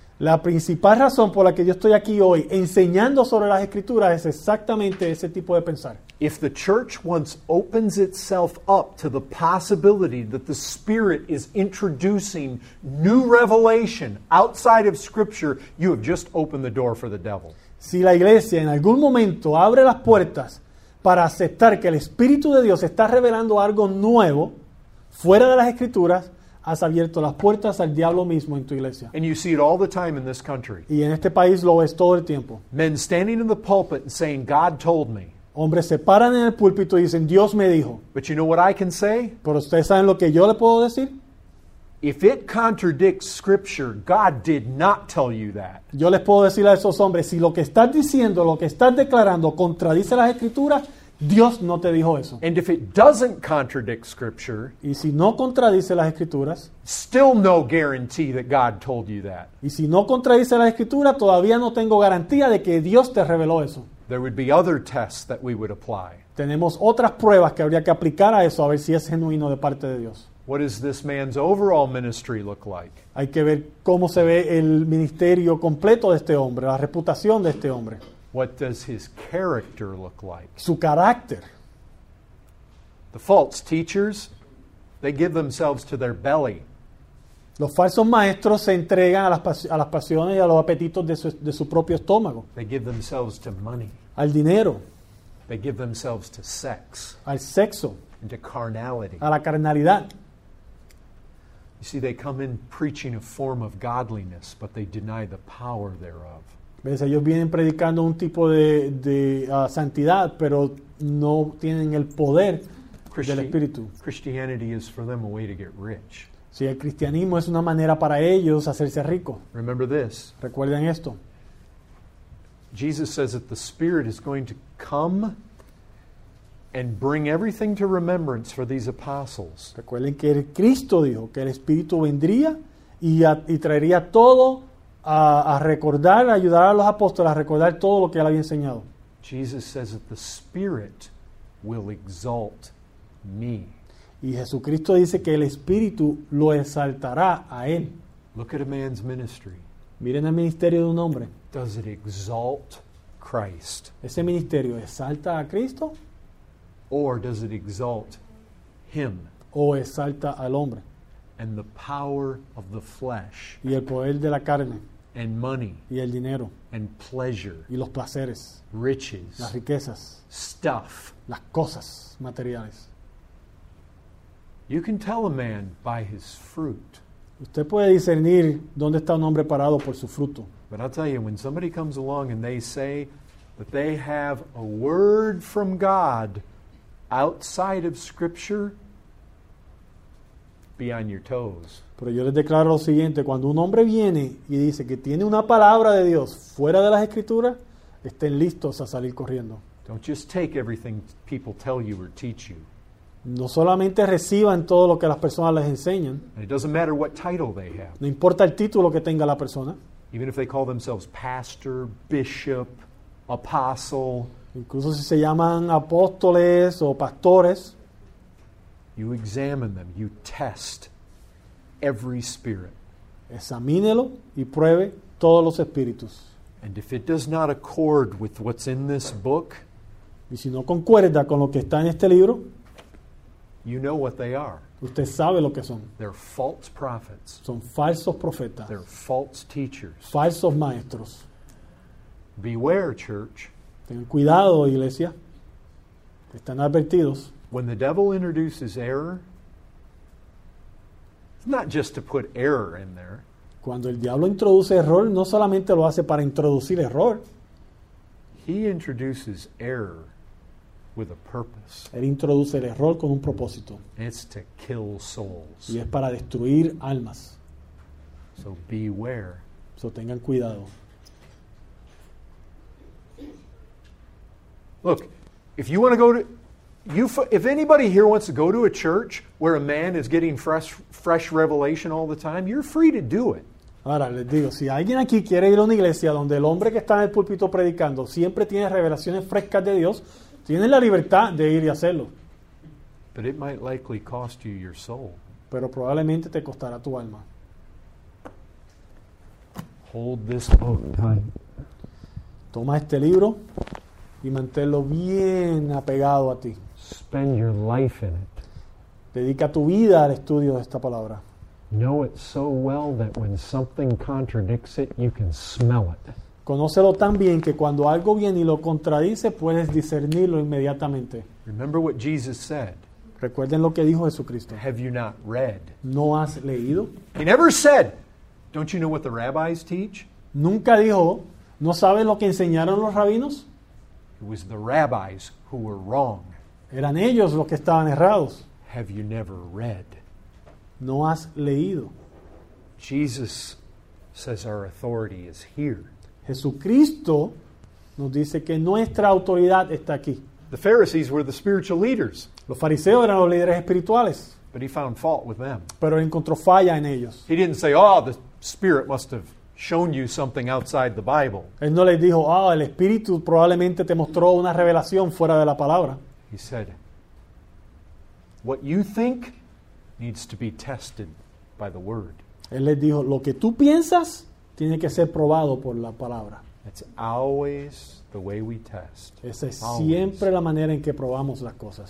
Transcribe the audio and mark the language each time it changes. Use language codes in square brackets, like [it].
[es] La principal razón por la que yo estoy aquí hoy enseñando sobre las Escrituras es exactamente ese tipo de pensar. [en] If the church once opens itself up to the possibility that the Spirit is introducing new revelation outside of Scripture, you have just opened the door for the devil. [es] Si la iglesia en algún momento abre las puertas para aceptar que el Espíritu de Dios está revelando algo nuevo fuera de las Escrituras, has abierto las puertas al diablo mismo en tu iglesia. [en] And you see it all the time in this country. [es] Y en este país lo ves todo el tiempo. [en] Men standing in the pulpit and saying, God told me. [es] Hombres se paran en el púlpito y dicen, Dios me dijo. [en] But you know what I can say? [es] ¿Pero ustedes saben lo que yo le puedo decir? [en] If it contradicts Scripture, God did not tell you that. [es] Yo les puedo decir a esos hombres, si lo que estás diciendo, lo que estás declarando, contradice las Escrituras, Dios no te dijo eso. [en] And if it doesn't contradict Scripture, [es] y si no contradice las Escrituras, [en] still no guarantee that God told you that. [es] Y si no contradice las Escrituras, todavía no tengo garantía de que Dios te reveló eso. [en] There would be other tests that we would apply. [es] Tenemos otras pruebas que habría que aplicar a eso, a ver si es genuino de parte de Dios. [en] What does this man's overall ministry look like? [es] Hay que ver cómo se ve el ministerio completo de este hombre, la reputación de este hombre. [en] What does his character look like? [es] Su carácter. [en] The false teachers, they give themselves to their belly. [es] Los falsos maestros se entregan a las pasiones y a los apetitos de su propio estómago. [en] They give themselves to money. [es] Al dinero. [en] They give themselves to sex. [es] Al sexo. [en] And to carnality. [es] A la carnalidad. [en] You see, they come in preaching a form of godliness, but they deny the power thereof. [es] ¿Ves? Ellos vienen predicando un tipo de santidad, pero no tienen el poder del Espíritu. [en] Christianity is for them a way to get rich. [es] Sí, el cristianismo es una manera para ellos hacerse rico. [en] Remember this. [es] Recuerden esto. [en] Jesus says that the Spirit is going to come and bring everything to remembrance for these apostles. [es] Recuerden que el Cristo dijo que el Espíritu vendría y traería todo a recordar, a ayudar a los apóstoles a recordar todo lo que él había enseñado. [en] Jesus says that the Spirit will exalt me. [es] Y Jesucristo dice que el Espíritu lo exaltará a él. [en] Look at a man's ministry. [es] Miren el ministerio de un hombre. [en] Does it exalt Christ? [es] ¿Ese ministerio exalta a Cristo? [en] Or does it exalt him? [es] ¿O exalta al hombre? [en] And the power of the flesh. [es] Y el poder de la carne. [en] And money. [es] Y el dinero. [en] And pleasure. [es] Y los placeres. [en] Riches. [es] Las riquezas. [en] Stuff. [es] Las cosas materiales. [en] You can tell a man by his fruit. [es] Usted puede discernir dónde está un hombre parado por su fruto. [en] But I'll tell you, when somebody comes along and they say that they have a word from God outside of Scripture, be on your toes. [es] Pero yo les declaro lo siguiente, cuando un hombre viene y dice que tiene una palabra de Dios fuera de las Escrituras, estén listos a salir corriendo. [en] Don't just take everything people tell you or teach you. [es] No solamente reciban todo lo que las personas les enseñan. [en] And it doesn't matter what title they have. [es] No importa el título que tenga la persona. [en] Even if they call themselves pastor, bishop, apostle. [es] Incluso si se llaman apóstoles o pastores. [en] You examine them. You test every spirit. [es] Examínelo y pruebe todos los espíritus. [en] And if it does not accord with what's in this book. [es] Y si no concuerda con lo que está en este libro. [en] You know what they are. [es] Usted sabe lo que son. [en] They're false prophets. [es] Son falsos profetas. [en] They're false teachers. [es] Falsos maestros. [en] Beware, church. [es] Ten cuidado, iglesia. Están advertidos. [en] When the devil introduces error, it's not just to put error in there. [es] Cuando el diablo introduce error, no solamente lo hace para introducir error. [en] He introduces error with a purpose. [es] Él introduce el error con un propósito. [en] It's to kill souls. [es] Y es para destruir almas. [en] So beware. So [es] tengan cuidado. [en] Look, if you want to go to, if anybody here wants to go to a church where a man is getting fresh revelation all the time, you're free to do it. [es] Ahora les digo, si alguien aquí quiere ir a una iglesia donde el hombre que está en el púlpito predicando siempre tiene revelaciones frescas de Dios, tienen la libertad de ir y hacerlo. [en] But it might likely cost you your soul. [es] Pero probablemente te costará tu alma. [en] Hold this book tight. [es] Toma este libro y manténlo bien apegado a ti. [en] Spend your life in it. [es] Dedica tu vida al estudio de esta palabra. [en] Know it so well that when something contradicts it, you can smell it. [es] Conócelo tan bien que cuando algo viene y lo contradice, puedes discernirlo inmediatamente. [en] Remember what Jesus said. [es] Recuerden lo que dijo Jesucristo. [en] Have you not read? [es] ¿No has leído? [en] He never said, don't you know what the rabbis teach? [es] Nunca dijo, ¿no sabes lo que enseñaron los rabinos? [en] It was the rabbis who were wrong. [es] Eran ellos los que estaban errados. [en] Have you never read? [es] ¿No has leído? [en] Jesus says our authority is here. [es] Jesucristo nos dice que nuestra autoridad está aquí. [en] The Pharisees were the spiritual leaders. [es] Los fariseos eran los líderes espirituales. [en] But he found fault with them. [es] Pero encontró falla en ellos. [en] He didn't say, oh, the Spirit must have shown you something outside the Bible. [es] Él no les dijo, oh, el Espíritu probablemente te mostró una revelación fuera de la palabra. [en] He said, what you think needs to be tested by the Word. [es] Él les dijo, lo que tú piensas tiene que ser probado por la palabra. [en] It's always the way we test. [es] Esa es siempre la manera en que probamos las cosas.